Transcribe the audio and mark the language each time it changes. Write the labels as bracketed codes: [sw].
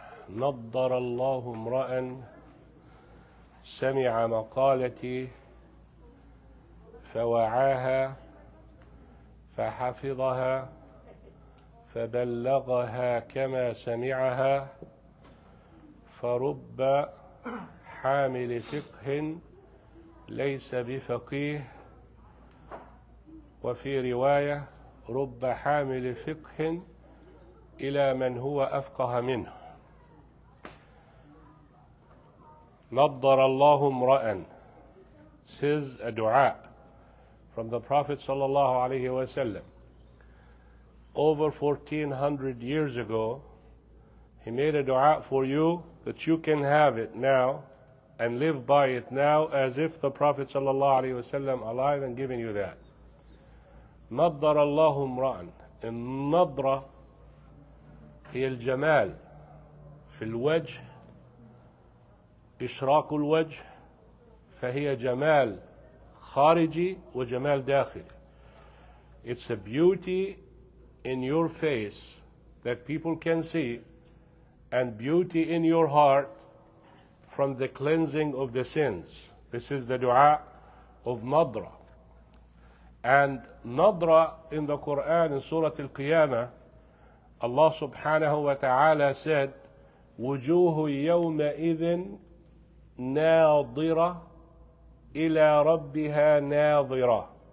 [ar] نضر الله امرأ سمع مقالتي فوعاها فحفظها فبلغها كما سمعها، فرب حامل فقه ليس بفقيه، وفي رواية رب حامل فقه إلى من هو أفقه منه. نضر الله امرأ says a dua from the Prophet صلى الله عليه وسلم. [en] Over 1400 years ago, he made a dua for you that you can have it now and live by it now as if the Prophet صلى الله عليه وسلم alive and giving you that. [ar] نضر الله امرأ. النضرة هي الجمال في الوجه، إشراق الوجه، فهي جمال خارجي وجمال داخلي. [en] It's a beauty in your face that people can see, and beauty in your heart from the cleansing of the sins. This is the dua of Nadra. And Nadra in the Quran, in Surah Al-Qiyamah, Allah subhanahu wa ta'ala said, وُجُوهُ يَوْمَئِذٍ ناظرة إلى ربها ناظرة.